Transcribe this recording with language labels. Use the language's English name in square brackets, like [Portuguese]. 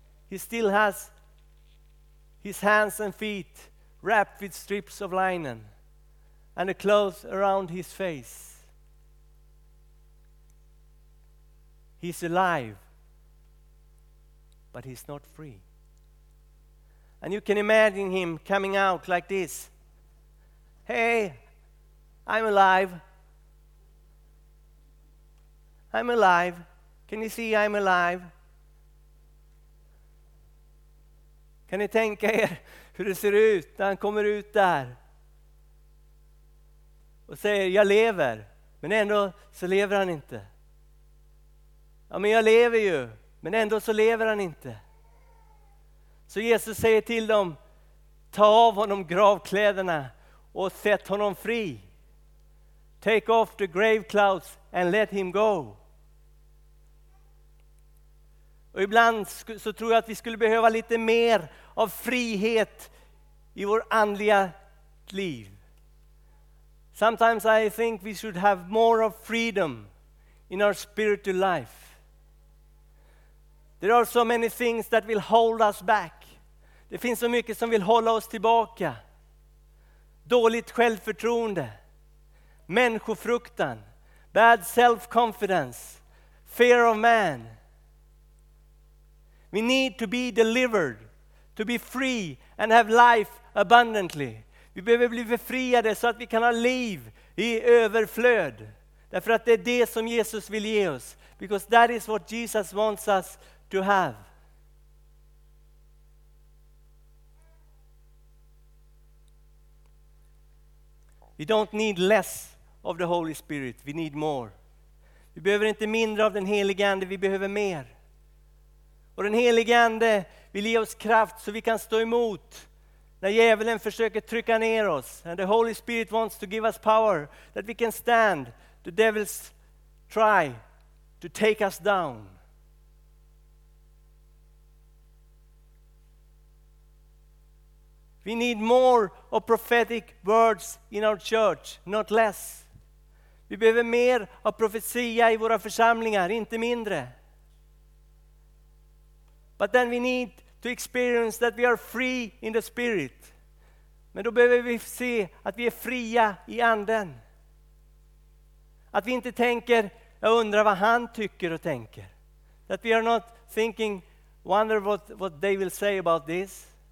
[English] He still has his hands and feet wrapped with strips of linen and a cloth around his face. He's alive, but he's not free. And you can imagine him coming out like this. Hey, I'm alive. I'm alive. Can you see I'm alive? [Swedish] Kan ni tänka er hur det ser ut när han kommer ut där och säger jag lever, men ändå så lever han inte. Ja, men jag lever ju, men ändå så lever han inte. Så Jesus säger till dem, ta av honom gravkläderna och sätt honom fri. [English] Take off the grave clothes and let him go. [Swedish] Och ibland så tror jag att vi skulle behöva lite mer av frihet i vår andliga liv. [English] Sometimes I think we should have more of freedom in our spiritual life. There are so many things that will hold us back. [Swedish] Det finns så mycket som vill hålla oss tillbaka. Dåligt självförtroende. Människofruktan. [English] Bad self-confidence. Fear of man. We need to be delivered, to be free and have life abundantly. [Swedish] Vi behöver bli befriade så att vi kan ha liv i överflöd. Därför att det är det som Jesus vill ge oss. [English] Because that is what Jesus wants us to have. We don't need less of the Holy Spirit. We need more. [Swedish] Vi behöver inte mindre av den helige ande, vi behöver mer. Och den helige ande vill ge oss kraft så vi kan stå emot när djävulen försöker trycka ner oss. [English] And the Holy Spirit wants to give us power that we can stand the devil's try to take us down. We need more of prophetic words in our church, not less. [Swedish] Vi behöver mer av profetia i våra församlingar, inte mindre. [English] But then we need to experience that we are free in the spirit. [Swedish] Men då behöver vi se att vi är fria i anden. Att vi inte tänker, jag undrar vad han tycker och tänker. [English] That we are not thinking, wonder what they will say about this.